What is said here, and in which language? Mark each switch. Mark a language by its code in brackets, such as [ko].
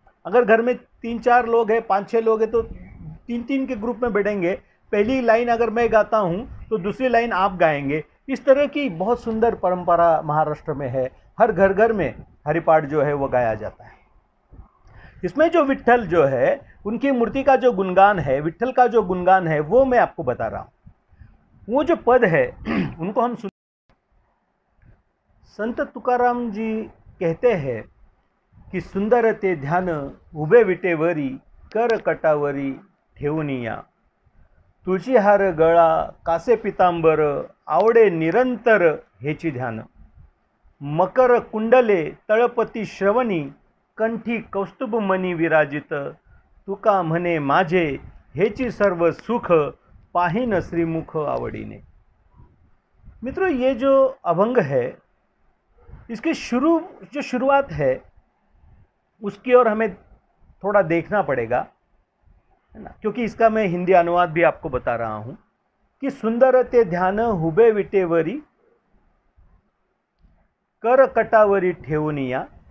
[hi] अगर घर में तीन चार लोग हैं, पाँच छः लोग हैं, तो तीन तीन के ग्रुप में बैठेंगे, पहली लाइन अगर मैं गाता हूँ तो दूसरी लाइन आप गाएंगे। इस तरह की बहुत सुंदर परंपरा महाराष्ट्र में है, हर घर घर में हरिपाठ जो है वो गाया जाता है। इसमें जो विट्ठल जो है उनकी मूर्ति का जो गुणगान है, विट्ठल का जो गुणगान है वो मैं आपको बता रहा हूँ। वो जो पद है उनको हम सुन संत तुकाराम जी कहते हैं कि [mr] सुंदर ते ध्यान उभे विटेवरी कर कटावरी ठेवनिया, तुझी हार गळा कासे पितांबर आवडे निरंतर हेची ध्यान, मकर कुंडले तळपती श्रवणी कंठी कौस्तुभ मणी विराजित, तुका म्हणे माझे हेची सर्व सुख पाहिन श्रीमुख आवडीने। [hi] मित्रों, ये जो अभंग है इसके शुरू जो शुरुआत है उसकी ओर हमें थोड़ा देखना पड़ेगा, है ना, क्योंकि इसका मैं हिंदी अनुवाद भी आपको बता रहा हूँ कि [mr] सुंदरते ध्यान हुबे विटेवरी कर कटावरी ठेवनिया।